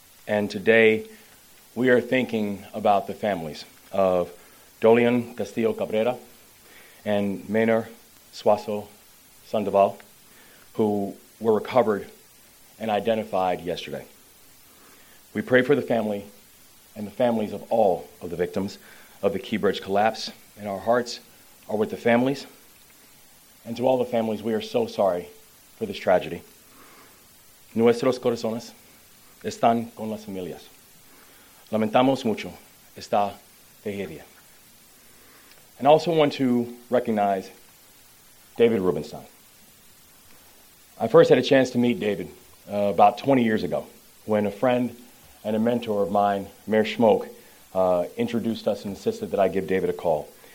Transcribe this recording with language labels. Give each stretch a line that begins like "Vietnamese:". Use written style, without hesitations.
English: And today, we are thinking about the families of Dolian Castillo Cabrera and Maynard Suazo Sandoval, who were recovered and identified yesterday. We pray for the family and the families of all of the victims of the Key Bridge collapse, and our hearts are with the families. And to all the families, we are so sorry for this tragedy.
Spanish: Nuestros corazones están con las familias. Lamentamos mucho esta tragedia.
English: And I also want to recognize David Rubenstein. I first had a chance to meet David about 20 years ago when a friend and a mentor of mine, Mayor Schmoke, introduced us and insisted that I give David a call.